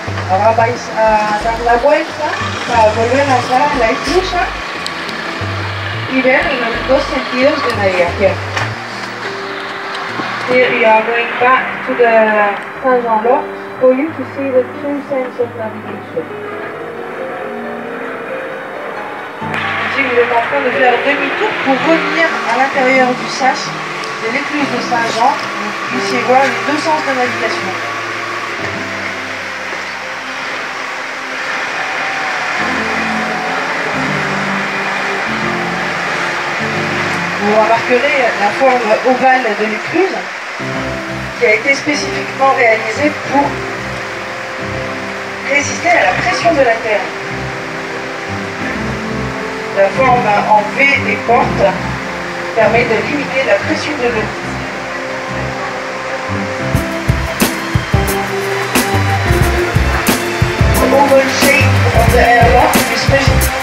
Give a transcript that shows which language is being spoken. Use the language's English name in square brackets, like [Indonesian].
[Spanish] Ahora vais a dar la vuelta para volver a entrar en la esclusa y ver en los dos sentidos de navegación. [English] Here you are going back to the Saint-Jean-Lot for you to see the true sense of navigation. [French] Il est en train de faire demi-tour pour revenir à l'intérieur du sas de l'écluse de Saint-Jean. Vous puissiez voir les deux sens de navigation. Vous remarquerez la forme ovale de l'écluse qui a été spécifiquement réalisée pour résister à la pression de la terre. La forme en V des portes permet de limiter la pression de l'eau. [English] The oval shape of the airlock is special.